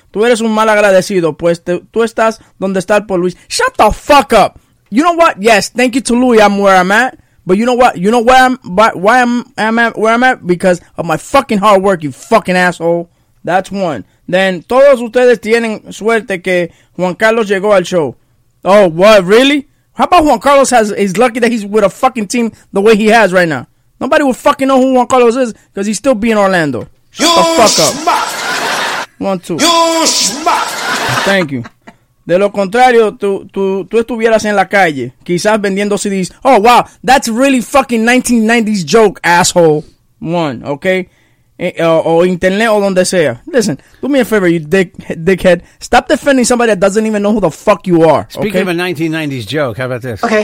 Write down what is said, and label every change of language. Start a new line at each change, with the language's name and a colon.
Spanish: Tú eres un mal agradecido, pues tú estás donde estás por Luis.
English: Shut the fuck up. You know what? Yes, thank you to Louis, I'm where I'm at. But you know what? You know why I'm at? Because of my fucking hard work, you fucking asshole. That's one.
Spanish: Then, todos ustedes tienen suerte que Juan Carlos llegó al show.
English: Oh, what? Really? How about Juan Carlos is lucky that he's with a fucking team the way he has right now? Nobody will fucking know who Juan Carlos is because he's still being Orlando. You shut the fuck schmuck. Up. 1, 2. You schmuck. Thank you.
Spanish: De lo contrario, tú estuvieras en la calle, quizás vendiendo CDs.
English: Oh, wow, that's really fucking 1990s joke, asshole. One, okay?
Spanish: O internet o donde sea.
English: Listen, do me a favor, you dickhead. Stop defending somebody that doesn't even know who the fuck you are, okay? Speaking of a 1990s joke, how about this?